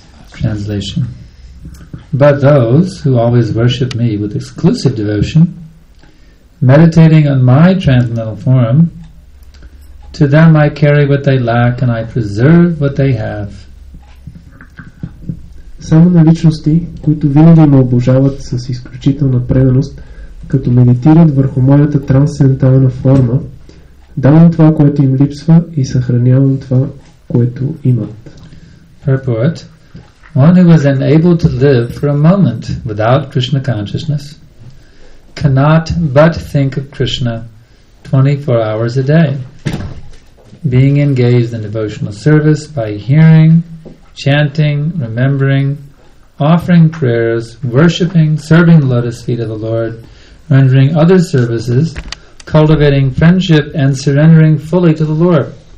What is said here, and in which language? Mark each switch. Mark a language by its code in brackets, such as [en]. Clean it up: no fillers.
[en] Translation. But those who always worship me with exclusive devotion, meditating on my transcendental form, to them I carry what they lack and I preserve what they have. [bg] Само на личности, които винаги ме обожават с изключителна преданост, като медитират върху моята трансцендентална форма, давам това, което им липсва и съхранявам това, което имат. [en] Purport. One who is unable to live for a moment without Krishna consciousness cannot but think of Krishna 24 hours a day. Being engaged in devotional service by hearing, chanting, remembering, offering prayers, worshipping, serving the lotus feet of the Lord, rendering other services, cultivating friendship, and surrendering fully to the Lord.